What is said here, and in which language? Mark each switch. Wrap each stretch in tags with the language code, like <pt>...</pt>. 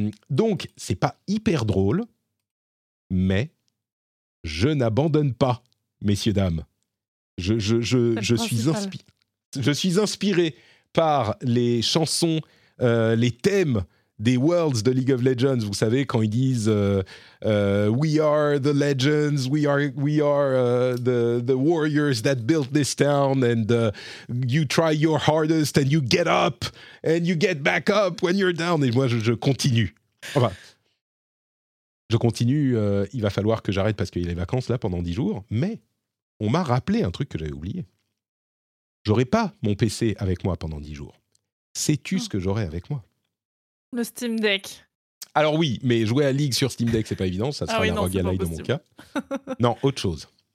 <fr>Donc, c'est pas hyper drôle, mais je n'abandonne pas, messieurs, dames. Je suis inspiré. Je suis inspiré par les chansons, les thèmes des Worlds de League of Legends. Vous savez, quand ils disent</fr> <en>We are the legends, we are the warriors that built this town, and you try your hardest and you get up and you get back up when you're down.</en> <fr>Et moi, je continue. Enfin, je continue. Il va falloir que j'arrête parce qu'il y a les vacances là pendant 10 jours. Mais on m'a rappelé un truc que j'avais oublié. J'aurais pas mon PC avec moi pendant 10 jours. Sais-tu ce que j'aurais avec moi ? Le Steam Deck. Alors oui, mais jouer à League sur Steam Deck, c'est pas évident. Ça sera la Rogue Ally dans mon cas. Non, autre chose.</fr>